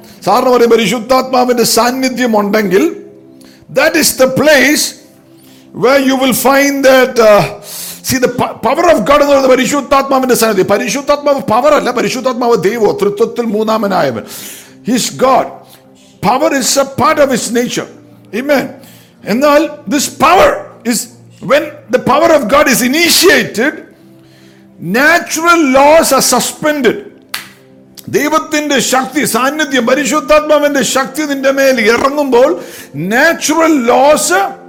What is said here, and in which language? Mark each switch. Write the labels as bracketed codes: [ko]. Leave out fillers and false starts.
[ml] സാറിന് പറയും, പരിശുദ്ധാത്മാവിന്റെ സാന്നിധ്യം ഉണ്ടെങ്കിൽ [en] that is the place where you will find that see the power of God [ml] എന്നുള്ളത് പരിശുദ്ധാത്മാവിന്റെ സാന്നിധ്യം. പരിശുദ്ധാത്മാവ് പവർ അല്ല, പരിശുദ്ധാത്മാവ് ദൈവം, ത്രിത്വത്തിൽ മൂന്നാമനായവൻ. [en] His God. Power is a part of his nature. Amen. [ml] എന്നാൽ [en] this power is when the power of God is initiated, natural laws are suspended. [ml] ദൈവത്തിന്റെ ശക്തി, സാന്നിധ്യം, പരിശുദ്ധാത്മാവിന്റെ ശക്തി നിന്റെ മേൽ ഇറങ്ങുമ്പോൾ നാച്ചുറൽ ലോസ്